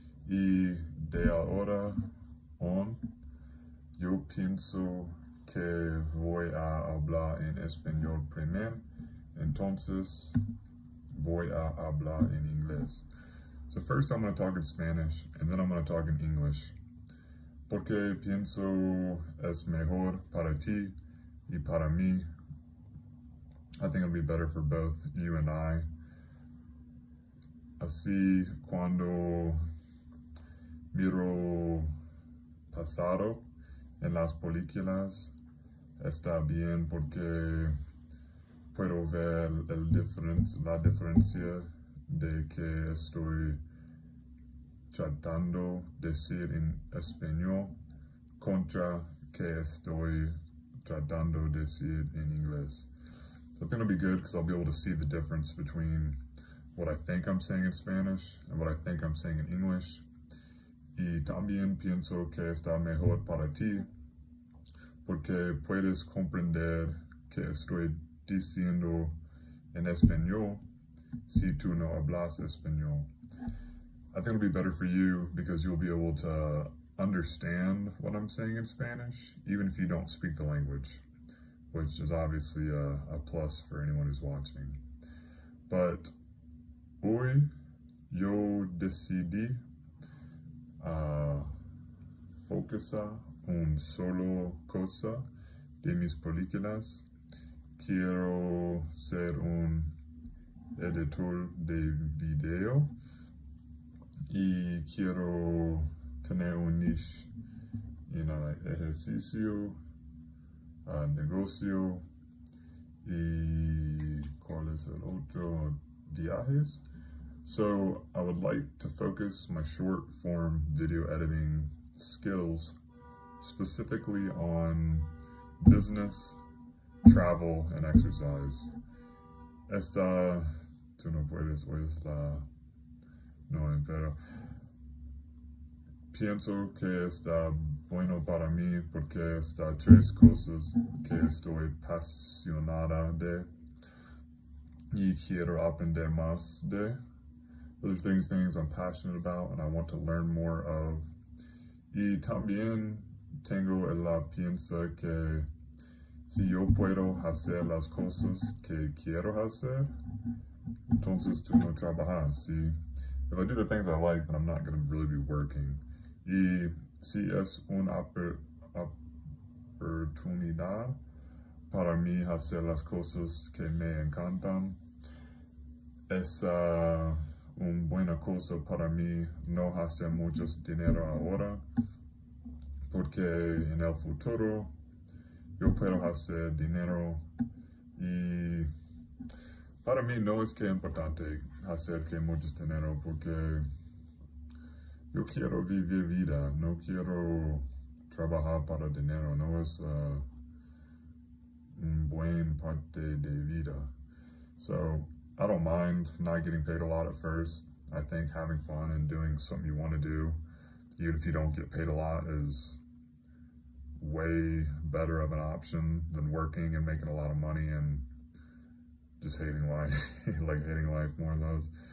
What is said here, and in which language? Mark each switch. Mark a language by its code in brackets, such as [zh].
[es] Y de ahora on, yo pienso que voy a hablar en español primero, entonces voy a hablar en inglés. [en] So first I'm going to talk in Spanish, and then I'm going to talk in English. [es] Porque pienso es mejor para ti y para mí. [en] I think it'll be better for both you and I. [es] Así, cuando miro pasado en las películas, está bien porque puedo ver la diferencia de que estoy tratando de decir en español contra que estoy tratando de decir en inglés. [en] So I think it'll be good because I'll be able to see the difference between what I think I'm saying in Spanish and what I think I'm saying in English. [es] Y también pienso que está mejor para ti porque puedes comprender que estoy diciendo en español si tú no hablas español. [en] I think it'll be better for you because you'll be able to understand what I'm saying in Spanish, even if you don't speak the language, which is obviously a plus for anyone who's watching. [es] But hoy yo decidí focusar un solo cosa de mis películas. Quiero ser un editor de video. Y quiero tener un niche en el ejercicio, negocio y ¿cuál es el otro? Viajes. [en] So I would like to focus my short form video editing skills specifically on business, travel, and exercise. [es] Esta, tú no puedes oír la. No, pero pienso que está bueno para mí porque está tres cosas que estoy apasionada de y quiero aprender más de. [en] Those are things I'm passionate about and I want to learn more of. [es] Y también tengo la piensa que si yo puedo hacer las cosas que quiero hacer, entonces tú no trabajas, ¿sí? [en] If I do the things I like, then I'm not going to really be working. [es] Y si es una oportunidad para mí hacer las cosas que me encantan, es una buena cosa para mí no hacer mucho dinero ahora, porque en el futuro yo puedo hacer dinero y. Para mí no es que importante hacer que mucho dinero porque yo quiero vivir vida, no quiero trabajar para dinero, no es un buen parte de vida. [en] So I don't mind not getting paid a lot at first. I think having fun and doing something you want to do, even if you don't get paid a lot, is way better of an option than working and making a lot of money and just hating life, like hating life more or less.